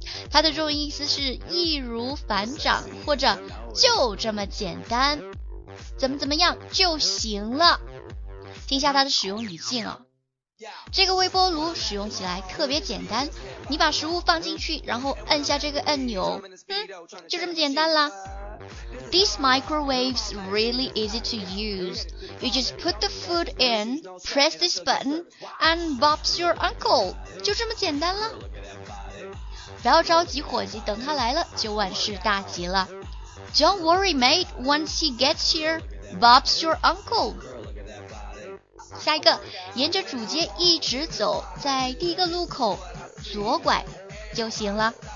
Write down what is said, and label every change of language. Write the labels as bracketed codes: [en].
[zh] 它的中文意思是易如反掌，或者就这么简单，怎么怎么样就行了。听下它的使用语境啊。这个微波炉使用起来特别简单，你把食物放进去，然后按下这个按钮，就这么简单啦。 [en] These microwaves really easy to use. You just put the food in, press this button, and Bob's your uncle. [zh] 就这么简单了。不要着急，伙计，等他来了就万事大吉了。 [en] Don't worry, mate. Once he gets here, Bob's your uncle. [zh] 下一个，沿着主街一直走，在第一个路口左拐就行了。